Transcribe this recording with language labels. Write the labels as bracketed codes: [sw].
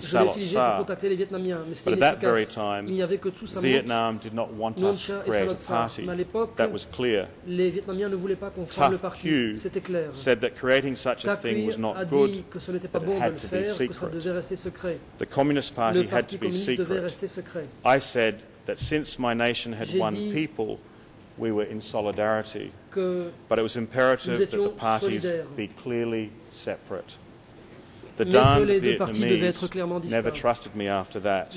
[fr] je l'ai utilisé pour contacter les Vietnamiens, mais c'était inefficace. [en] Time, [fr] il n'y avait que tout [en] Vietnam did not want us to create a party. [fr] Mais à l'époque, [en] that was clear. [fr] Les Vietnamiens ne voulaient pas qu'on forme le parti. C'était clair. [en] Said that creating such a thing was not good. [fr] Que ce n'était pas bon de le faire, que ça devait rester secret. [en] The Communist Party had to be secret. [fr] Le parti communiste devait rester secret. [en] I said that since my nation had one people, we were in solidarity, but it was imperative that the parties be clearly separate. The Dan Vietnamese never trusted me after that.